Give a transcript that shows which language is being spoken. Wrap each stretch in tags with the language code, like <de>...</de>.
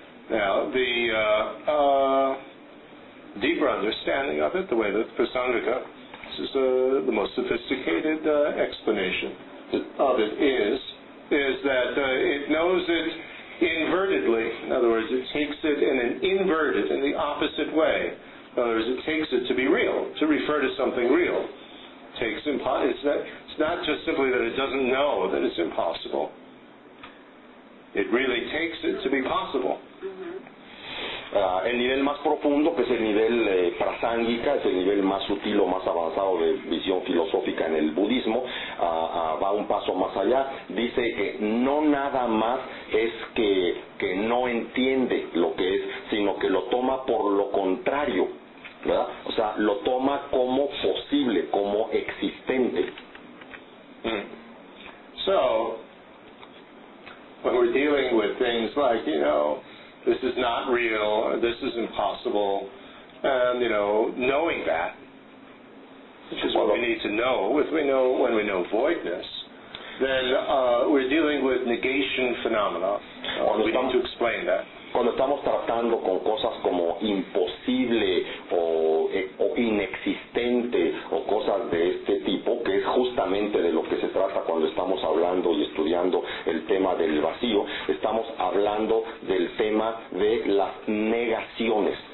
<en>Now, the deeper understanding of it, the way that Prasangika, this is the most sophisticated explanation of it, is that it knows it invertedly. In other words, it takes it in an inverted, in the opposite way. In other words, it takes it to be real, to refer to something real. It takes it's not just simply that it doesn't know that it's impossible. It really takes it to be possible.</en> <es>El nivel más profundo, que es el nivel prasángica, es el nivel más sutil o más avanzado de visión filosófica en el budismo, va un paso más allá. Dice que no nada más es que no entiende lo que es, sino que lo toma por lo contrario, ¿verdad? O sea, lo toma como posible, como existente.</es> <en>So, when we're dealing with things like, you know, this is not real, this is impossible, and, you know, knowing that, Because what we need to know, if we know, when we know voidness, then we're dealing with negation phenomena. We need to explain that.</en> <es>Cuando estamos tratando con cosas como imposible o inexistente o cosas de este tipo, que es justamente de lo que se trata cuando estamos hablando y estudiando el tema del vacío, estamos hablando del tema de las negaciones.</es>